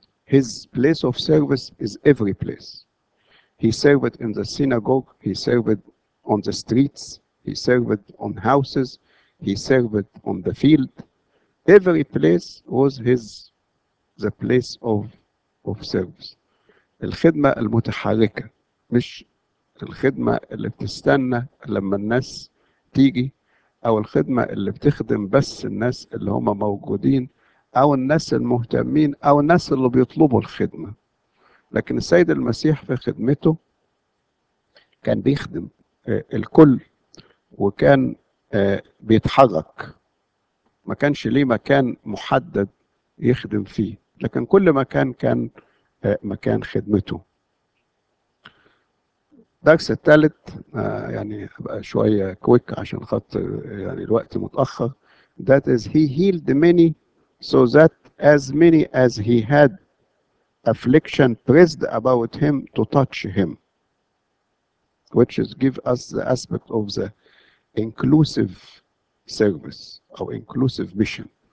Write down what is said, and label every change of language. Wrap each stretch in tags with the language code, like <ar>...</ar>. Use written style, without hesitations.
<en>His place of service is every place. He served in the synagogue, he served on the streets, he served on houses, he served on the field. Every place was his, the place of service.</en> <ar>الخدمة المتحركة مش الخدمة اللي بتستنى لما الناس تيجي أو الخدمة اللي بتخدم بس الناس اللي هما موجودين أو الناس المهتمين أو الناس اللي بيطلبوا الخدمة. لكن السيد المسيح في خدمته كان بيخدم الكل وكان بيتحرك، ما كانش ليه مكان محدد يخدم فيه، لكن كل مكان كان مكان خدمته. الدرس الثالث يعني بقى شوية كويك عشان خاطر يعني الوقت متأخر.</ar> <en>That is he healed many so that as many as he had affliction pressed about him to touch him. Which is give us the aspect of the inclusive service or inclusive mission.</en>